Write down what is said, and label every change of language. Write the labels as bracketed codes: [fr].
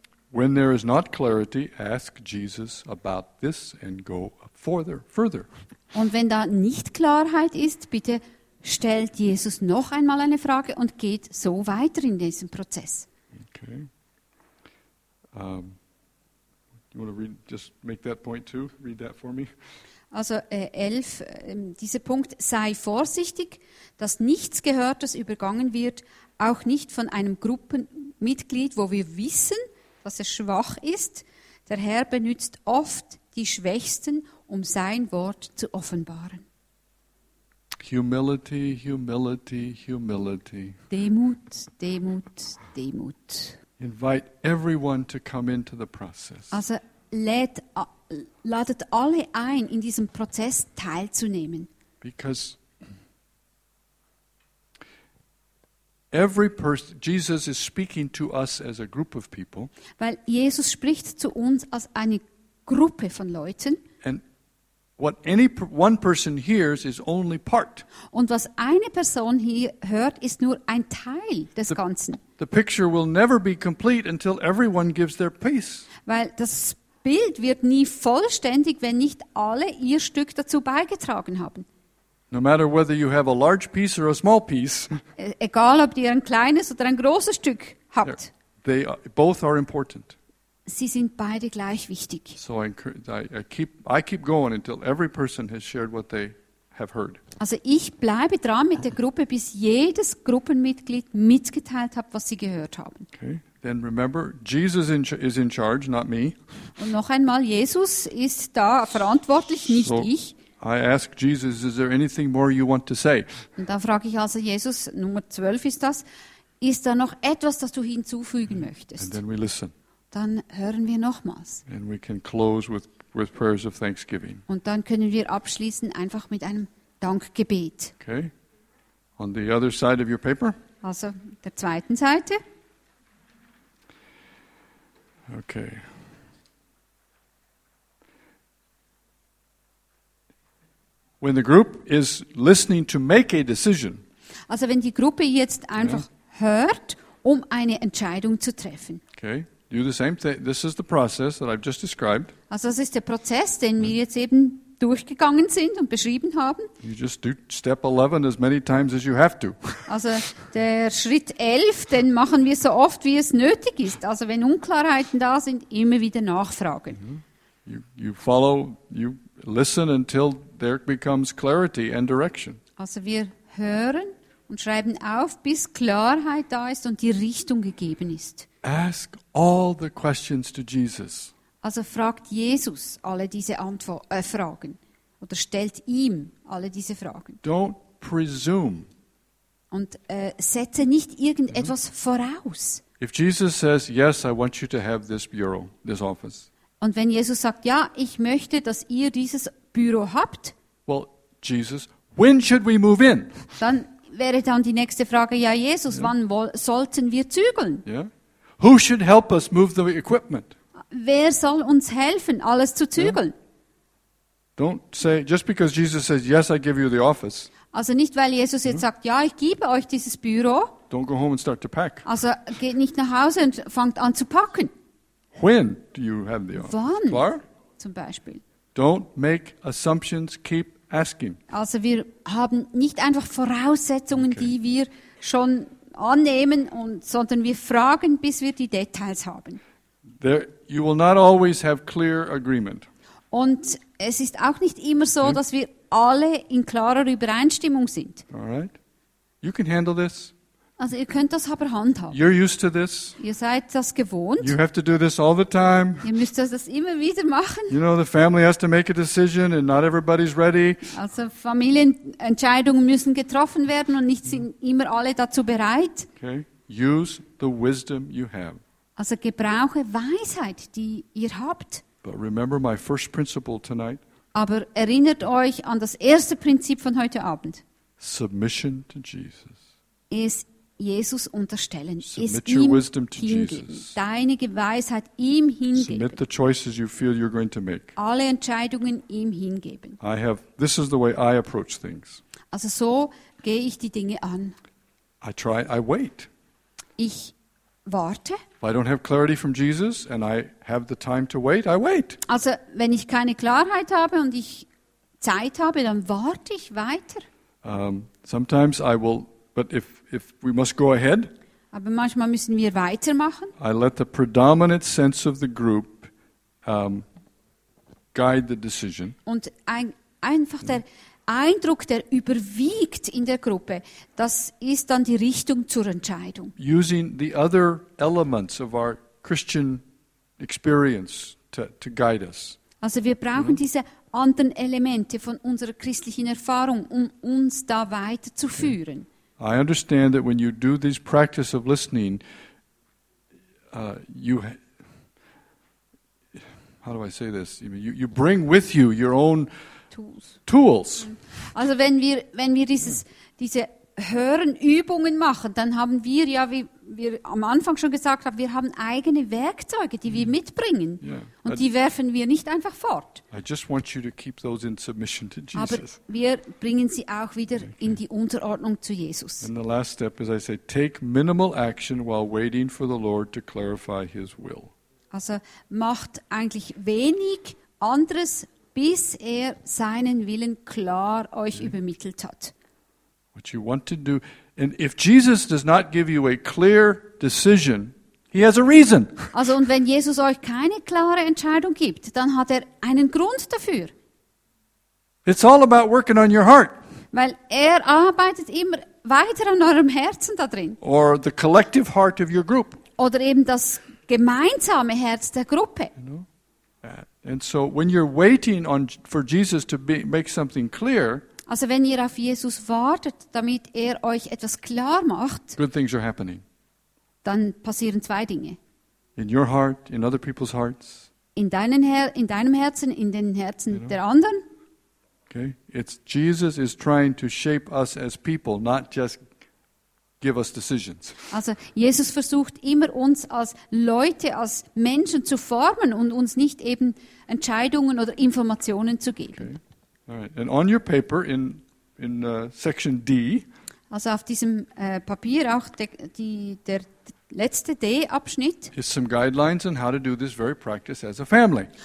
[en] When there is not clarity, ask Jesus about this and go further. [de] Und wenn da nicht Klarheit ist, bitte stellt Jesus noch einmal eine Frage und geht so weiter in diesem Prozess. [en] Okay. You want to read, just make that point too? Read that for me. [de] Also 11, dieser Punkt, sei vorsichtig, dass nichts Gehörtes übergangen wird, auch nicht von einem Gruppenmitglied, wo wir wissen, dass er schwach ist. Der Herr benutzt oft die Schwächsten, um sein Wort zu offenbaren. [en] Humility, humility, humility. [de] Demut, Demut, Demut. [en] Invite everyone to come into the process. [de] Also lädt ladet alle ein, in diesem Prozess teilzunehmen. [en] Because every person, Jesus is speaking to us as a group of people. [de] Weil Jesus spricht zu uns als eine Gruppe von Leuten. [en] And what any one person hears is only part. [de] Und was eine Person hier hört, ist nur ein Teil des Ganzen. [en] The picture will never be complete until everyone gives their piece. [de] Weil das Bild wird nie vollständig, wenn nicht alle ihr Stück dazu beigetragen haben. [en] No matter whether you have a large piece or a small piece. [de] Egal, ob ihr ein kleines oder ein großes Stück habt. [en] They are, both are important. [de] Sie sind beide gleich wichtig. [en] So I keep going until every person has shared what they have heard. [de] Also ich bleibe dran mit der Gruppe, bis jedes Gruppenmitglied mitgeteilt hat, was sie gehört haben. [en] Okay. Then remember, Jesus is in charge, not me. [de] Und noch einmal, Jesus ist da verantwortlich, nicht so ich. [en] I ask Jesus, is there anything more you want to say? [de] Und dann frage ich also Jesus, Nummer 12 ist das, ist da noch etwas, das du hinzufügen möchtest? [en] And then we listen. [de] Dann hören wir nochmals. [en] And we can close with prayers of thanksgiving. [de] Und dann können wir abschließen einfach mit einem Dankgebet. [en] Okay. On the other side of your paper? [de] Also der zweiten Seite. [en] Okay. When the group is listening to make a decision. [de] Also wenn die Gruppe jetzt einfach hört, um eine Entscheidung zu treffen. [en] Okay. Do the same thing. This is the process that I've just described. [de] Also das ist der Prozess, den wir jetzt eben durchgegangen sind und beschrieben haben. [en] You just do step 11 as many times as you have to. [de] Also der Schritt 11, den machen wir so oft, wie es nötig ist. Also wenn Unklarheiten da sind, immer wieder nachfragen. Mm-hmm. [en] You follow, you listen until there becomes clarity and direction. [de] Also wir hören und schreiben auf, bis Klarheit da ist und die Richtung gegeben ist. [en] Ask all the questions to Jesus. [de] Also fragt Jesus alle diese Fragen oder stellt ihm alle diese Fragen. [en] Don't presume. [de] Und setze nicht irgendetwas voraus. [en] If Jesus says, yes, I want you to have this bureau, this office. [de] Und wenn Jesus sagt, ja, ich möchte, dass ihr dieses Büro habt. [en] Well, Jesus, when should we move in? [de] Dann wäre dann die nächste Frage, ja, Jesus, wann sollten wir zügeln? Ja. Yeah. [en] Who should help us move the equipment? [de] Wer soll uns helfen, alles zu zügeln? [en] Don't say, just because Jesus says, yes, I give you the office. [de] Also nicht, weil Jesus jetzt sagt, ja, ich gebe euch dieses Büro. [en] Don't go home and start to pack. [de] Also geht nicht nach Hause und fangt an zu packen. [en] When do you have the office? [de] Wann? Klar? Zum Beispiel. [en] Don't make assumptions, keep asking. [de] Also wir haben nicht einfach Voraussetzungen, die wir schon annehmen, und sondern wir fragen, bis wir die Details haben. [en] There, you will not always have clear agreement. [de] Und es ist auch nicht immer so, dass wir alle in klarer Übereinstimmung sind. [en] All right. You can handle this. [de] Also ihr könnt das aber handhaben. [en] You're used to this. [de] Ihr seid das gewohnt. [en] You have to do this all the time. [de] Ihr müsst das immer wieder machen. [en] You know, the family has to make a decision and not everybody's ready. [de] Also Familienentscheidungen müssen getroffen werden und nicht sind immer alle dazu bereit. [en] Okay. Use the wisdom you have. [de] Also gebrauche Weisheit, die ihr habt. [en] But remember my first principle tonight. [de] Aber erinnert euch an das erste Prinzip von heute Abend. [en] Submission to Jesus. [de] Es Jesus unterstellen, ist ihm hingeben, deine Weisheit ihm hingeben. [en] Submit the choices you feel you're going to make. [de] Alle Entscheidungen ihm hingeben. [en] I have, this is the way I approach things. [de] Also so gehe ich die Dinge an. [en] I wait. [de] Ich warte. [en] If I don't have clarity from Jesus and I have the time to wait, I wait. [de] Also wenn ich keine Klarheit habe und ich Zeit habe, dann warte ich weiter. [en] Sometimes I will. But if we must go ahead, [de] aber manchmal müssen wir weitermachen. [en] I let the predominant sense of the group guide the decision. [de] Und einfach der Eindruck, der überwiegt in der Gruppe, das ist dann die Richtung zur Entscheidung. [en] Using the other elements of our Christian experience to guide us. [de] Also wir brauchen diese anderen Elemente von unserer christlichen Erfahrung, um uns da weiterzuführen. [en] Okay. I understand that when you do this practice of listening, how do I say this? You bring with you your own tools. [de] Also wenn wir diese Hörenübungen machen, dann haben wir ja, wie wir am Anfang schon gesagt haben, wir haben eigene Werkzeuge, die wir mitbringen. [en] Yeah. [de] Und die werfen wir nicht einfach fort. [en] I just want you to keep those in submission to Jesus. [de] Aber wir bringen sie auch wieder in die Unterordnung zu Jesus. [en] And the last step is, I say, take minimal action while waiting for the Lord to clarify his will. [de] Also macht eigentlich wenig anderes, bis er seinen Willen klar euch übermittelt hat. [en] What you want to do, and if Jesus does not give you a clear decision, he has a reason. [de] Also, und wenn Jesus euch keine klare Entscheidung gibt, dann hat er einen Grund dafür. [en] It's all about working on your heart. [de] Weil er arbeitet immer weiter an eurem Herzen da drin. [en] Or the collective heart of your group. [de] Oder eben das gemeinsame Herz der Gruppe. [en] You know? And so when you're waiting on for Jesus to be, make something clear, [de] also wenn ihr auf Jesus wartet, damit er euch etwas klar macht, [en] good things are happening. [de] Dann passieren zwei Dinge. [en] In your heart, in other people's hearts. [de] In deinem Herzen, in den Herzen der anderen. [en] Okay, it's Jesus is trying to shape us as people, not just give us decisions. [de] Also Jesus versucht immer uns als Leute, als Menschen zu formen und uns nicht eben Entscheidungen oder Informationen zu geben. [en] Okay. Alright, and on your paper in section D. [de] Also auf diesem Papier auch der letzte D-Abschnitt. [en] Is some guidelines on how to do this very practice as a family.